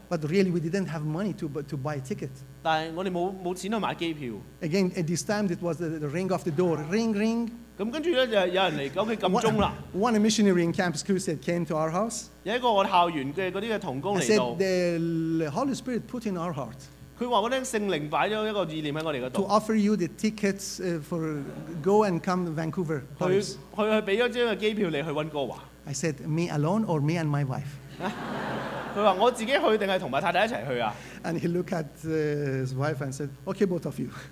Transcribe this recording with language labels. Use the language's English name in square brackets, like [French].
[English] But really, we didn't have money to buy a ticket. [Chinese] 但我們沒有錢去買機票。 [English] Again, at this time, it was the ring of the door. Ring, ring. [Chinese] 接著有人來,家裡按鐘了。 [English] One missionary in Camp Screw said, came to our house. [Chinese] 有一個我校園的同工來到。 [English] I said, the Holy Spirit put in our heart. [Chinese] 他說,聖靈放了一個意念在我們那裡。 [English] To offer you the tickets for go and come to Vancouver. [Chinese] 他給了一張機票來溫哥華。 [English] I said, me alone or me and my wife? And he looked at his wife and said, okay, both of you.